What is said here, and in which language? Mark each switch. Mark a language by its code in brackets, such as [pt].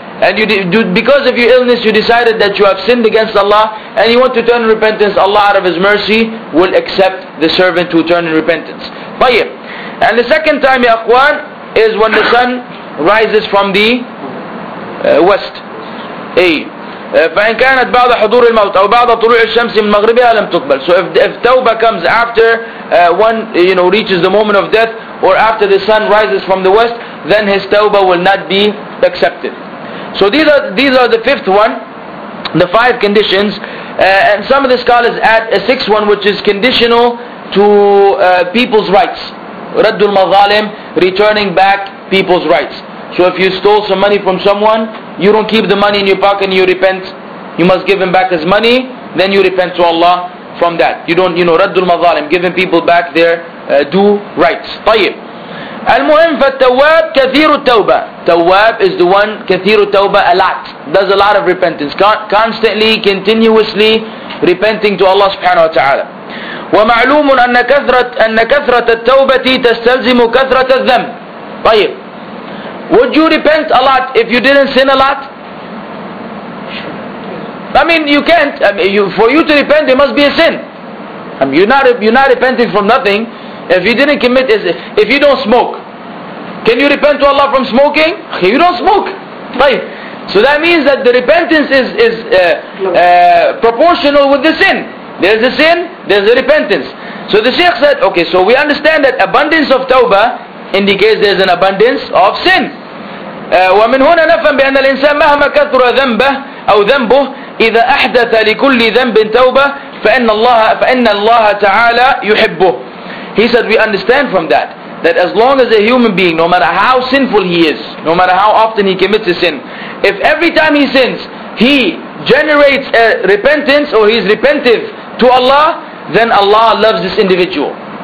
[en] And because of your illness, you decided that you have sinned against Allah, and you want to turn in repentance. Allah, out of His mercy, will accept the servant who turned in repentance. [ar] طيب. [en] And the second time, ya akhwan, is when the sun rises from the west. [ar] فإن كانت بعض حضور الموت أو بعض طلوع الشمس من مغربها لم تقبل. [en] So if tawbah comes after one, you know, reaches the moment of death, or after the sun rises from the west, then his tawbah will not be accepted. So these are the fifth one, the five conditions, and some of the scholars add a sixth one, which is conditional to people's rights. [ar] رَدُّ الْمَظَالِمِ, [en] returning back people's rights. So if you stole some money from someone, you don't keep the money in your pocket and you repent. You must give him back his money, then you repent to Allah from that. You don't, you know, [ar] رَدُّ الْمَظَالِمِ, [en] giving people back their due rights. [ar] طيب. المهم فالتواب كثير التوبة. [en] تواب is the one [ar] كثير التوبة, [en] a lot, does a lot of repentance, constantly, continuously repenting to Allah [ar] سبحانه وتعالى. ومعلوم أن كثرة التوبة تستلزم كثرة الذنب. طيب, [en] would you repent a lot if you didn't sin a lot? I mean, you can't. I mean, you, for you to repent, it must be a sin. I mean, you're not repenting from nothing. If you didn't commit, if you don't smoke, can you repent to Allah from smoking? You don't smoke. Right. So that means that the repentance is proportional with the sin. There's a sin, there's a repentance. So the Shaykh said, okay, so we understand that abundance of tawbah indicates there's an abundance of sin. [ar] ومن هنا نفهم بأن الإنسان مهما كثر ذنبه أو ذنبه إذا أحدث لكل ذنب توبة فإن الله تعالى يحبه. [en] He said, we understand from that that as long as a human being, no matter how sinful he is, no matter how often he commits a sin, if every time he sins he generates a repentance or he's repentive to Allah, then Allah loves this individual.